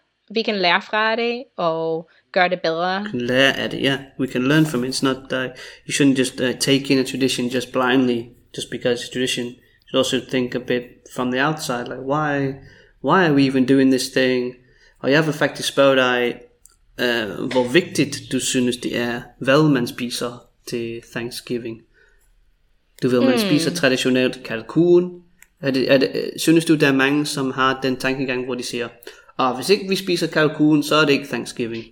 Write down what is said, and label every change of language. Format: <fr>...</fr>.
<da>Vi kan lære fra det og gøre det bedre. Lære af det, ja.</da> <en>We can learn from it. It's not that you shouldn't just take in a tradition just blindly, just because it's a tradition. You should also think a bit from the outside, like why are we even doing this thing?</en> <da>Og jeg har faktisk spurgt dig, hvor vigtigt du synes det er, hvad man spiser til Thanksgiving. Du ved, man spiser traditionelt kalkun. Synes du, der er mange, som har den tankegang, hvor de siger, hvis ikke vi spiser kalkun, så er det ikke Thanksgiving?</da>